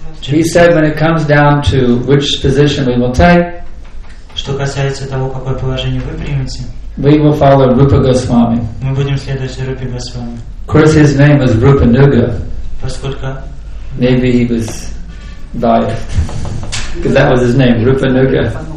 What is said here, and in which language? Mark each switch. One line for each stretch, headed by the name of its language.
English: He said when it comes down to which position we will take,
Russian: что касается того, какое положение вы примете,
English: we will follow Rupa Goswami.
Russian: Мы будем следовать Рупе Госвами.
English: Of course, his name was Rupa Nuga.
Russian: Поскольку
English: maybe he was biased, because that was his name, Rupa Nuga.